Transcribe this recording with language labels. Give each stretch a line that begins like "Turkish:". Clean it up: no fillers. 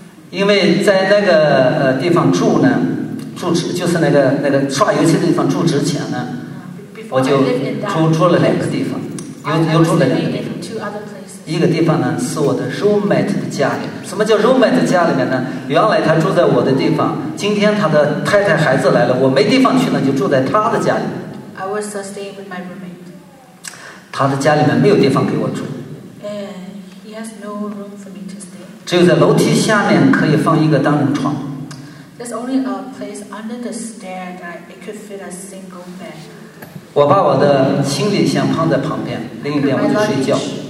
Chinese: 因为在那个地方住呢，住址就是那个刷油漆的地方住之前呢，我就住了两个地方，又住了两个地方。一个地方呢是我的 roommate 的家里。什么叫 roommate 的家里面呢？原来他住在我的地方，今天他的太太孩子来了，我没地方去呢，就住在他的家里。
English: I was staying with my roommate.
Chinese: 他的家里面没有地方给我住。
English: And he has no room for me to stay.
Chinese: 只有在楼梯下面可以放一个单人床。
English: There's only a place under the stair that it could fit a single bed.
Chinese: 我把我的行李箱放在旁边，另一边我就睡觉。